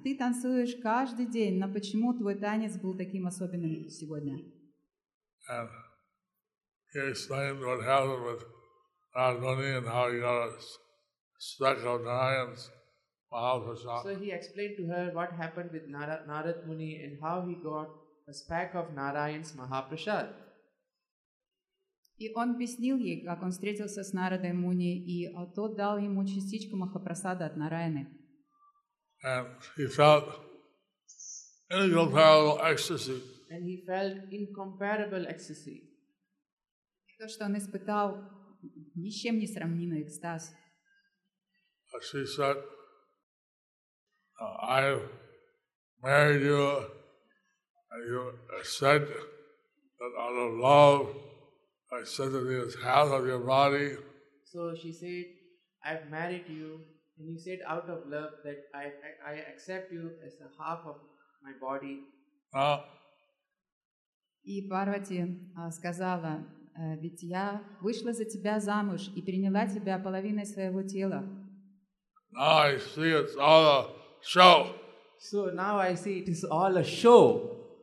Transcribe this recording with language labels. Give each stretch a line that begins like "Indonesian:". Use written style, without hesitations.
Russian: Ты танцуешь каждый день, но почему твой танец был таким особенным сегодня?
English: And he explained what happened with Narayana and how he got a speck of Narayana's. So he explained to her what happened with Narad Muni and how he got a speck of Narayan's Mahaprasad.
Russian: И он объяснил ей, как он встретился с Нарадой Муни, и тот дал ему частичку Махапрасада от Нараяны.
English: And he felt incomparable ecstasy. And he felt incomparable ecstasy.
Russian: И то, что он испытал ни с чем не сравнимый экстаз.
English: She said, I married you, and you said that out of love, I said that it is half of your body. So she said, I've married you, and you said out of love that I accept you as a half of my body.
Russian: И Парвати сказала, ведь я вышла за тебя замуж и приняла тебя половиной своего тела.
English: Now I see it's all a show. So now I see it is all a show.